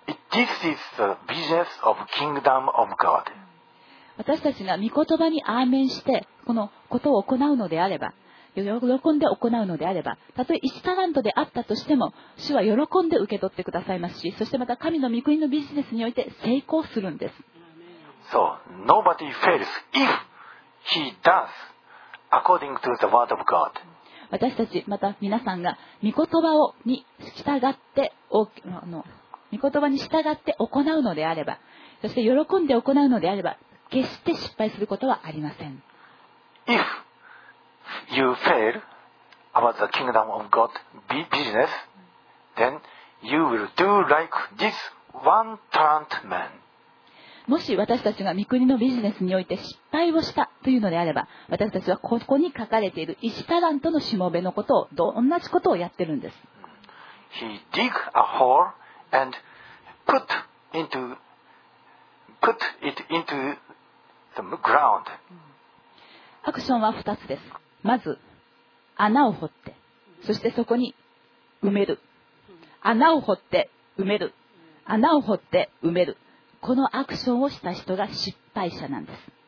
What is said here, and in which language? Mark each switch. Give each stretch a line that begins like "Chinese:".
English: This is the business of kingdom of God.
Japanese: 私たちが御言葉にアーメンしてこのことを行うのであれば、喜んで行うのであれば、たとえ1タラントであったとしても主は喜んで受け取ってくださいますし、そしてまた神の御国のビジネスにおいて成功するんです。
English: So, nobody fails if he does according to the word of God.
Japanese: 私たちまた皆さんが御言葉をに従って御言葉に従って行うのであれば、そして喜んで行うのであれば、決して失敗することはありません。
English: ifYou fail about the kingdom of God business, then you will do like this one talent man.
Japanese: もし私たちが御国のビジネスにおいて失敗をしたというのであれば、私たちはここに書かれている一タラントのしもべのことを同じことをやってるんです。
English: He dig a hole and put it into the ground.
Japanese: アクションは2つです。まず穴を掘って、そしてそこに埋める、穴を掘って埋める、穴を掘って埋める、このアクションをした人が失敗者なんです。